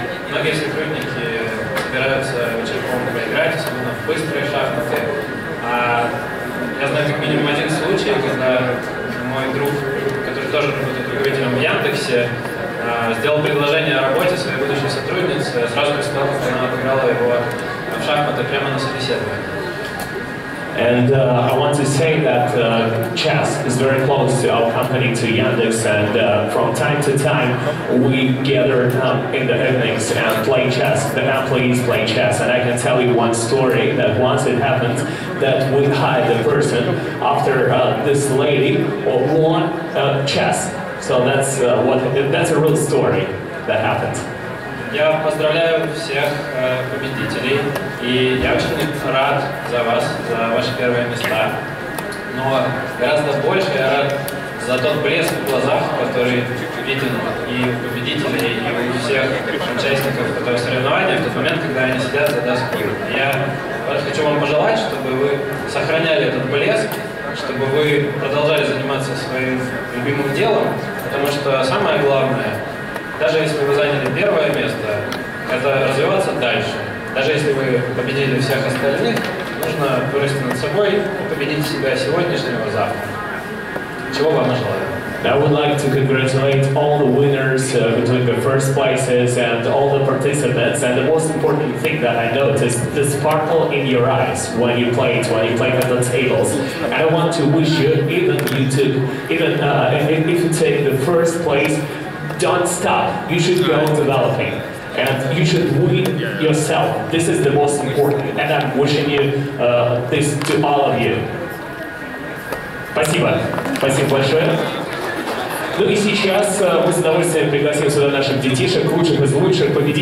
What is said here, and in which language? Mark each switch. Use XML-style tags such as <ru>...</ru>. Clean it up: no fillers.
<ru>Многие сотрудники собираются вечерком поиграть, особенно в быстрые шахматы. А я знаю как минимум один случай, когда мой друг, который тоже работает руководителем в Яндексе, сделал предложение о работе своей будущей сотруднице, сразу после того, как она отыграла его в шахматы прямо на собеседовании.</ru> <en>And I want to say that chess is very close to our company, to Yandex, and from time to time we gather in the evenings and play chess, the employees play chess, and I can tell you one story that once it happened that we hired the person after this lady won chess. So that's a real story that happened.</en> <ru>Я поздравляю всех победителей, и я очень рад за вас, за ваши первые места. Но гораздо больше я рад за тот блеск в глазах, который виден и у победителей, и у всех участников этого соревнования в тот момент, когда они сидят за доской. Я хочу вам пожелать, чтобы вы сохраняли этот блеск, чтобы вы продолжали заниматься своим любимым делом, потому что самое главное, даже если вы заняли первое место, это развиваться дальше. Даже если вы победили всех остальных, нужно вырасти над собой и победить себя сегодняшнего завтра. Чего вам и желаю.</ru> <en>I would like to congratulate all the winners between the first places and all the participants. And the most important thing that I noticed, the sparkle in your eyes when you played at the tables. And I want to wish you, if you take the first place, don't stop. You should go developing. And you should win yourself. This is the most important. And I'm wishing you this to all of you.</en> <ru>Спасибо. Спасибо большое. Ну и сейчас мы с удовольствием пригласим сюда наших детишек, лучших из лучших, победителей.</ru>